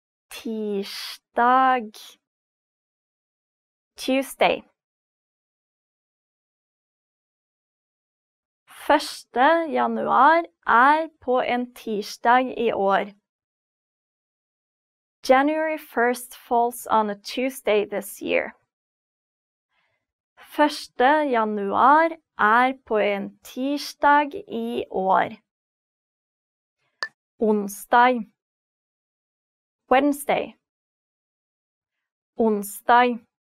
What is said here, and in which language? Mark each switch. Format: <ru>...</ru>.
<no>Tirsdag.</no> <en>Tuesday.</en> <no>Første januar på en tirsdag I år.</no> <en>January 1st falls on a Tuesday this year.</en> <no>Første januar på en tirsdag I år. Onsdag.</no> <en>Wednesday.</en> <no>Onsdag.</no>